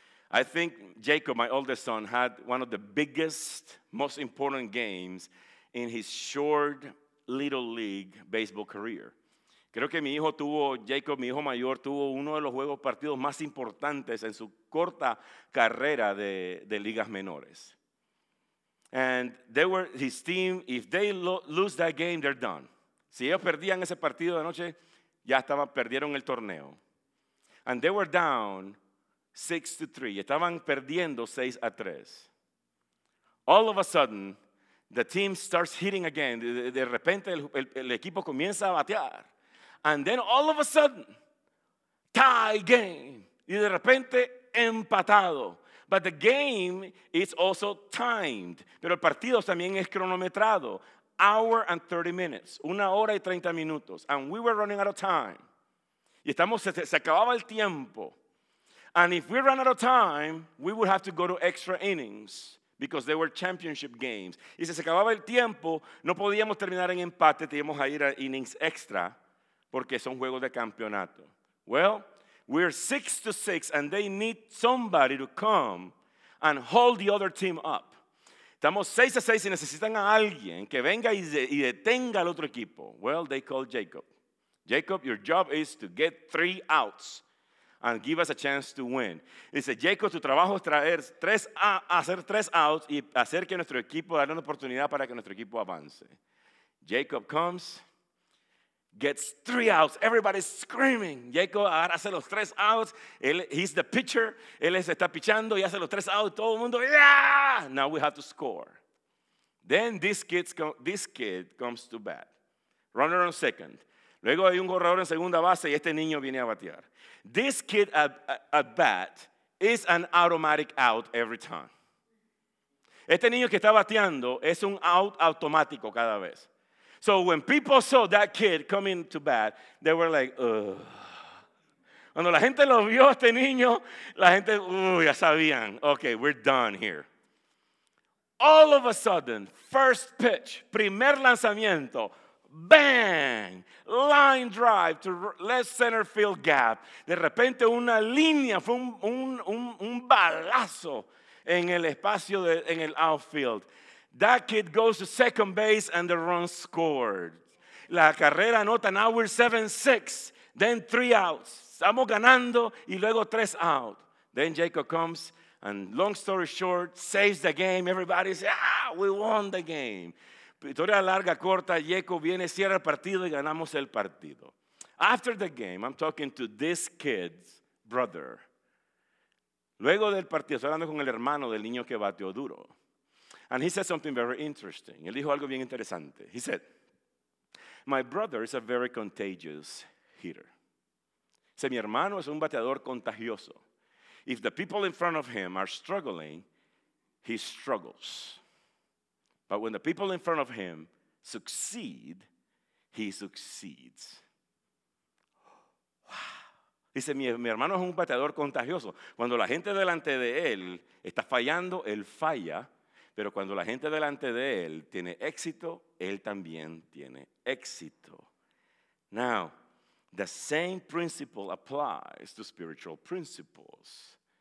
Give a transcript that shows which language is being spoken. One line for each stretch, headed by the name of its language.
English: I think Jacob, my oldest son, had one of the biggest, most important games in his short little league baseball career.
Spanish: Creo que mi hijo mayor, tuvo uno de los juegos partidos más importantes en su corta carrera de ligas menores.
English: And they were his team, if they lose that game, they're done.
Spanish: Si ellos perdían ese partido de noche, perdieron el torneo.
English: And they were down 6-3.
Spanish: Estaban perdiendo 6-3.
English: All of a sudden, the team starts hitting again.
Spanish: De repente el equipo comienza a batear.
English: And then all of a sudden, tie game.
Spanish: Y de repente empatado.
English: But the game is also timed.
Spanish: Pero el partido también es cronometrado.
English: Hour and 30 minutes.
Spanish: Una hora y 30 minutos.
English: And we were running out of time.
Spanish: Y estamos, se acababa el tiempo.
English: And if we run out of time, we would have to go to extra innings because they were championship games.
Spanish: Y si se acababa el tiempo, no podíamos terminar en empate, teníamos que ir a innings extra porque son juegos de campeonato.
English: Well, we're 6-6 and they need somebody to come and hold the other team up.
Spanish: Estamos 6-6 y necesitan a alguien que venga y detenga al otro equipo.
English: Well, they call Jacob. Jacob, your job is to get 3 outs and give us a chance to win.
Spanish: Dice, Jacob, tu trabajo es traer hacer 3 outs y hacer que nuestro equipo, darle una oportunidad para que nuestro equipo avance.
English: Jacob comes, gets 3 outs. Everybody's screaming.
Spanish: Jacob ahora hace los 3 outs.
English: He's the pitcher.
Spanish: Él está pichando y hace los 3 outs. Todo el mundo, yeah!
English: Now we have to score. Then this kid comes to bat. Runner on second.
Spanish: Luego hay un corredor en segunda base y este niño viene a batear.
English: This kid at bat is an automatic out every time.
Spanish: Este niño que está bateando es un out automático cada vez.
English: So when people saw that kid coming to bat, they were like, ugh.
Spanish: Cuando la gente lo vio a este niño, la gente, ya sabían.
English: Okay, we're done here. All of a sudden, first pitch,
Spanish: primer lanzamiento,
English: bang, line drive to left center field gap.
Spanish: De repente una línea, fue un balazo en el espacio, en el outfield.
English: That kid goes to second base and the run scored.
Spanish: La carrera anota,
English: now we're 7-6, then 3 outs.
Spanish: Estamos ganando y luego 3 out.
English: Then Jacob comes and long story short, saves the game. Everybody says, we won the game.
Spanish: Historia larga, corta, Jacob viene, cierra el partido y ganamos el partido.
English: After the game, I'm talking to this kid's brother.
Spanish: Luego del partido, estoy hablando con el hermano del niño que bateó duro.
English: And he said something very interesting.
Spanish: Él dijo algo bien interesante.
English: He said, my brother is a very contagious hitter.
Spanish: Dice, mi hermano es un bateador contagioso.
English: If the people in front of him are struggling, he struggles. But when the people in front of him succeed, he succeeds.
Spanish: Wow. Dice, mi hermano es un bateador contagioso. Cuando la gente delante de él está fallando, él falla. Pero cuando la gente delante de él tiene éxito, él también tiene éxito.
English: Now, the same principle applies to spiritual principles.